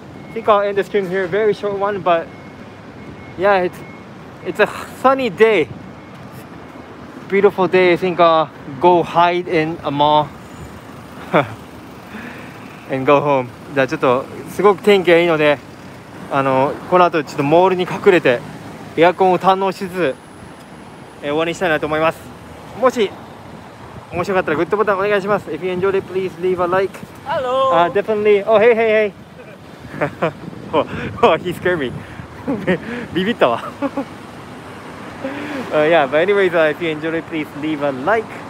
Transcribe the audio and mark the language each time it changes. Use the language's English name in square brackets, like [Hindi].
[English] I think I'll end the stream here, very short one, but yeah, it's a sunny day. Beautiful day. I think I'll go hide in a mall and go home. [Japanese] じゃあちょっとすごく天気がいいので、あのこの後ちょっとモールに隠れてエアコンを堪能しつつ、終わりにしたいなと思います。もし面白かったらグッドボタンお願いします。 [English] If you enjoyed it, please leave a like. Hello. Definitely. Oh, hey, hey, hey. oh, he scared me. [Japanese] ビビったわ。 [English] yeah, but anyways, if you enjoyed it, please leave a like.